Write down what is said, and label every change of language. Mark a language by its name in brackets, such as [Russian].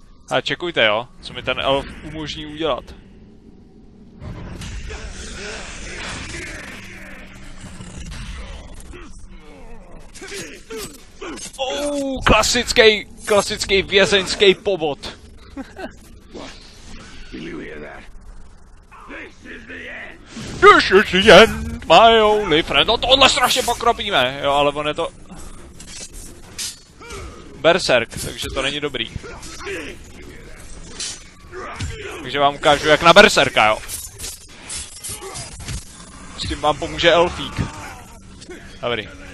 [Czech] A čekujte, jo, co mi ten elf umožní udělat. Ouu, klasický vězeňský pobot. [English] This is the end, my only friend. [Czech] No tohle strašně pokropíme, jo, ale on je to... Berserk, takže to není dobrý. Takže vám ukážu, jak na berserka, jo. S tím vám pomůže elfík. Dobrý.